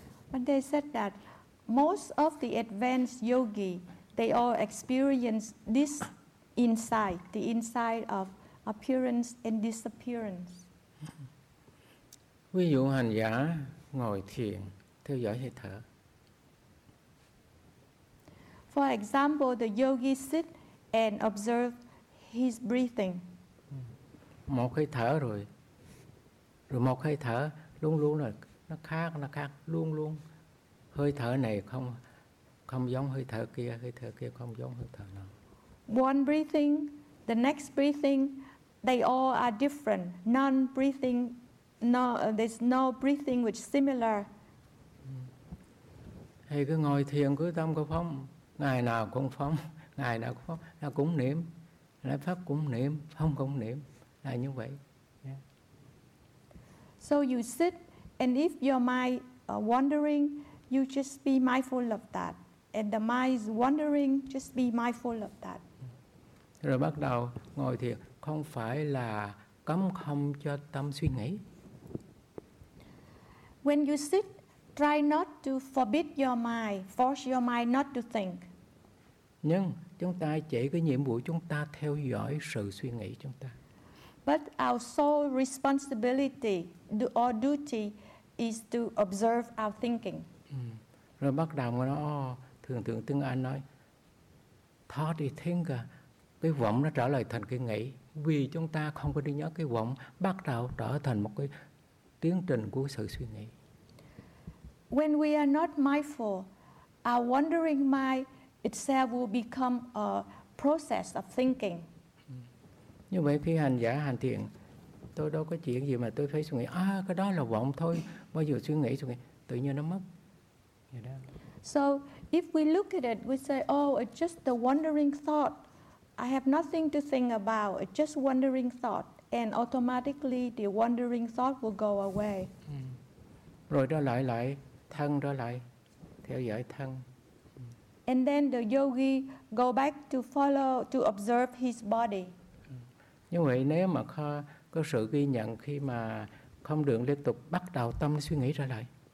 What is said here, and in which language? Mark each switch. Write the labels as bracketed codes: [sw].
[en] When they said that most of the advanced yogi, they all experience this insight, the insight of appearance and disappearance. [vi] Ví dụ hành giả ngồi thiền, theo dõi hơi thở. [en] For example, the yogi sit and observe his breathing. [vi] Một hơi thở rồi một hơi thở, luôn luôn là nó khác, luôn luôn. Hơi thở này không giống hơi thở kia không giống hơi thở nào. [en] One breathing, the next breathing, they all are different. None breathing, no, there's no breathing which similar. [vi] Hay cứ ngồi thiền cứ tâm cứ phóng, ngày nào cũng phóng, là cũng niệm, lại pháp cũng niệm, không cũng niệm, là như vậy. Yeah. [en] So you sit, and if your mind are wandering, you just be mindful of that. And the mind is wandering, just be mindful of that. [vi] Rồi bắt đầu ngồi thiền, không phải là cấm không cho tâm suy nghĩ. [en] When you sit, try not to forbid your mind, force your mind not to think. [vi] Nhưng chúng ta chỉ có nhiệm vụ chúng ta theo dõi sự suy nghĩ chúng ta. [en] But our sole responsibility or duty is to observe our thinking. [vi] Rồi bắt đầu nó thường thường tiếng Anh nói [en] thought is thinker, [vi] cái vọng nó trở lại thành cái nghĩ, vì chúng ta không có đi nhớ cái vọng, bắt đầu trở thành một cái tiến trình của sự suy nghĩ. [en] When we are not mindful, our wandering mind itself will become a process of thinking. [vi] Như vậy khi hành giả hành thiện, tôi đâu có chuyện gì mà tôi phải suy nghĩ, à, cái đó là vọng thôi. Bao giờ suy nghĩ, tự nhiên nó mất. [en] So if we look at it, we say, oh, it's just the wandering thought. I have nothing to think about. It's just wandering thought. And automatically the wandering thought will go away. [vi] Rồi trở lại lại, thân trở lại, theo dõi thân. [en] And then the yogi go back to follow, to observe his body. [vi] Như vậy nếu mà có sự ghi nhận khi mà không được liên tục bắt đầu tâm suy nghĩ trở lại.